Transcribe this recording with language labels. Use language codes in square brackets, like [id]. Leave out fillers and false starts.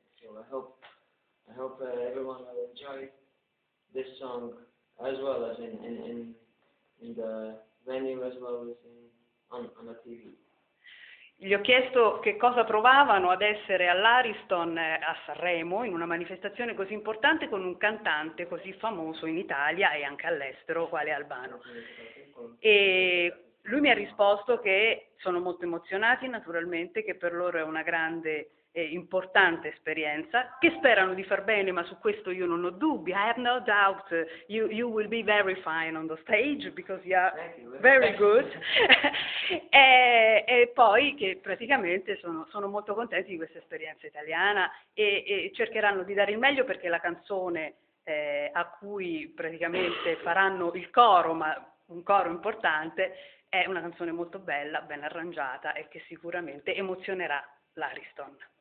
[en] So I hope everyone will enjoy this song as well as in the venue as well as on the TV. [it] Gli ho chiesto che cosa provavano ad essere all'Ariston a Sanremo, in una manifestazione così importante, con un cantante così famoso in Italia e anche all'estero, quale Albano. E lui mi ha risposto che sono molto emozionati, naturalmente, che per loro è una grande e importante esperienza, che sperano di far bene, ma su questo io non ho dubbi. [en] I have no doubt you will be very fine on the stage because you are Thank you. very good. [it] E poi che praticamente sono molto contenti di questa esperienza italiana e cercheranno di dare il meglio perché la canzone a cui praticamente faranno il coro, ma un coro importante, è una canzone molto bella, ben arrangiata e che sicuramente emozionerà l'Ariston.